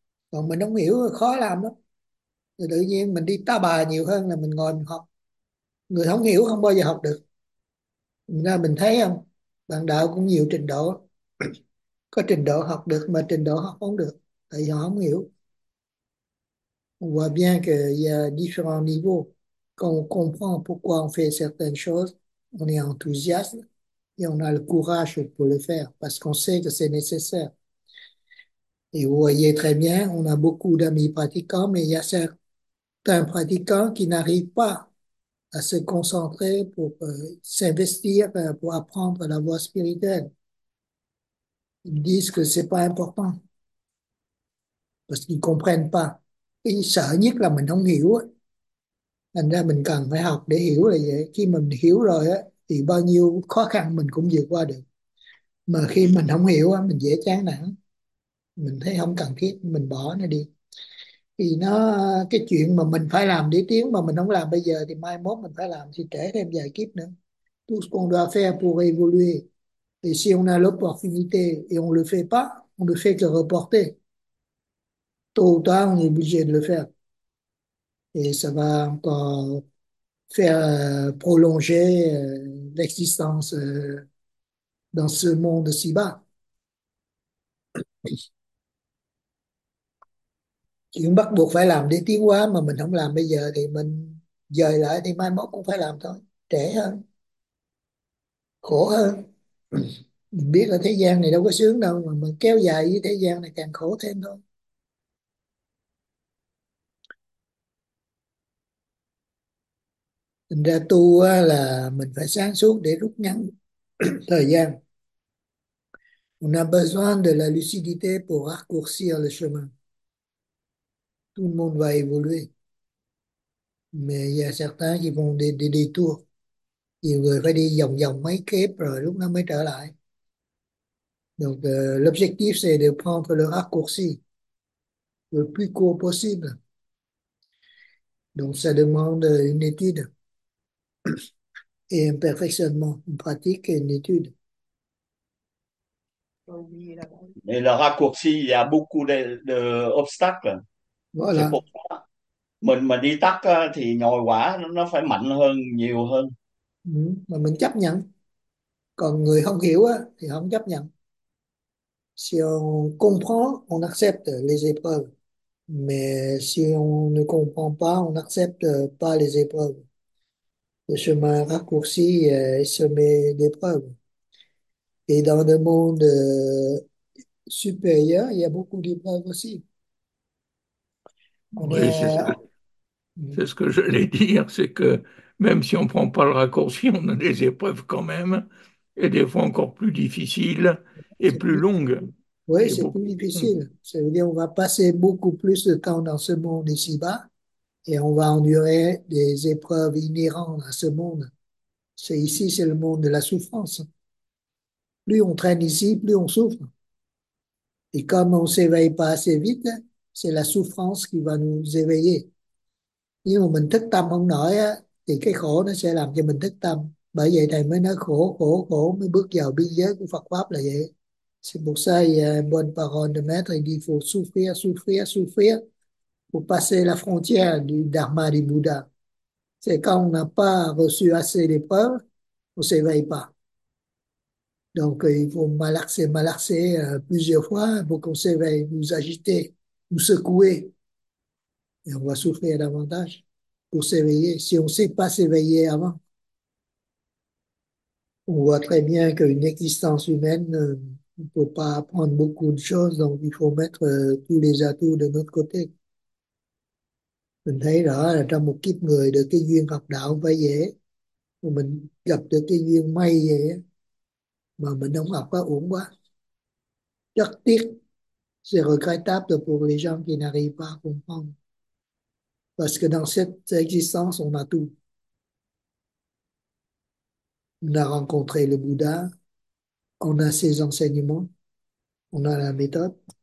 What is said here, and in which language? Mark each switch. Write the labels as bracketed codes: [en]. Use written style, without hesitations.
[vi] Còn mình không hiểu khó làm lắm, thì tự nhiên mình đi tá bà nhiều hơn là mình ngồi mình học. Người không hiểu không bao giờ học được. Nên mình thấy không, bạn đạo cũng nhiều trình độ, có trình độ học được mà trình độ học không được, tại vì họ không hiểu. [fr] On voit bien qu'il y a différents niveaux. Quand on comprend pourquoi on fait certaines choses, on est enthousiaste et on a le courage pour le faire parce qu'on sait que c'est nécessaire. Et vous voyez très bien, on a beaucoup d'amis pratiquants, mais il y a certains pratiquants qui n'arrivent pas à se concentrer pour s'investir pour apprendre la voie spirituelle. Ils disent que c'est pas important parce qu'ils comprennent pas. [vi] Cái sợ nhất là mình không hiểu ấy. Thành ra mình cần phải học để hiểu là vậy. Khi mình hiểu rồi á thì bao nhiêu khó khăn mình cũng vượt qua được. Mà khi mình không hiểu á, mình dễ chán nản, mình thấy không cần thiết, mình bỏ nó đi. Thì nó cái chuyện mà mình phải làm để tiến, mà mình không làm bây giờ thì mai mốt mình phải làm thì trễ thêm vài kiếp nữa. [fr] Tout ce qu'on doit faire pour évoluer. Et si on a l'opportunité et on le fait pas, on ne fait que reporter. Tôi toi, on est obligé de le faire. Et ça va encore faire prolonger l'existence dans ce monde si bas. [vi] Chuyện bắt buộc phải làm để tiến hóa, mà mình không làm bây giờ thì mình dời lại thì mai mốt cũng phải làm thôi. Trễ hơn, khổ hơn. Mình biết là thế gian này đâu có sướng đâu, mà mình kéo dài với thế gian này càng khổ thêm thôi. Thành ra tu là mình phải sáng suốt để rút ngắn thời gian. [fr] On a besoin de la lucidité pour raccourcir le chemin. Tout le monde va évoluer. Mais il y a certains qui vont des détours. [vi] Nhiều người phải đi vòng vòng mấy kiếp rồi lúc nó mới trở lại. [fr] Donc l'objectif c'est de prendre le raccourci le plus court possible. Donc ça demande une étude et un perfectionnement, une pratique et une étude. Oublié là-bas. Mais le raccourci, il y a beaucoup d'obstacles. C'est Voilà. pour ça. [vi] Mình mà đi tắt thì nhồi quá, nó phải mạnh hơn, nhiều hơn. Mà mình chấp nhận. Còn người không hiểu á thì không chấp nhận. [fr] Si on comprend, on accepte les épreuves. Mais si on ne comprend pas, on n'accepte pas les épreuves. Le chemin raccourci est semé d'épreuves. Et dans le monde supérieur, il y a beaucoup d'épreuves aussi. On Oui, est c'est ce que j'allais dire, c'est que même si on ne prend pas le raccourci, on a des épreuves quand même, et des fois encore plus difficiles et plus longues, Oui, et c'est beaucoup plus plus longues. difficile. Ça veut dire qu'on va passer beaucoup plus de temps dans ce monde ici-bas et on va endurer des épreuves inhérentes à ce monde. C'est ici, c'est le monde de la souffrance. Plus on traîne ici, plus on souffre. Et comme on ne s'éveille pas assez vite, c'est la souffrance qui va nous éveiller. [vi] Nhưng mà mình thức tâm không nổi á, thì cái khổ nó sẽ làm cho mình thức tâm. Bởi vậy thầy mới nói khổ, khổ, khổ mới bước vào biên giới của Phật Pháp là vậy. [fr] C'est pour ça, il y a une bonne parole de maître, il dit, il faut souffrir, souffrir, souffrir pour passer la frontière du Dharma du Bouddha. C'est quand on n'a pas reçu assez d'épreuves, on s'éveille pas. Donc, il faut malaxer, malaxer plusieurs fois pour qu'on s'éveille, nous agiter, nous secouer. Et on va souffrir davantage pour s'éveiller. Si on ne sait pas s'éveiller avant, on voit très bien qu'une existence humaine, on ne peut pas apprendre beaucoup de choses, donc il faut mettre tous les atouts de notre côté. [vi] Mình thấy rõ là trong một kiếp người được cái duyên học đạo không phải dễ. Mình gặp được cái duyên may vậy á. Mà mình không học quá uổng quá. rất tiếc, [fr] c'est regrettable pour les gens qui n'arrivent pas à comprendre. Parce que dans cette existence, on a tout. On a rencontré le Bouddha, on a ses enseignements, on a la méthode.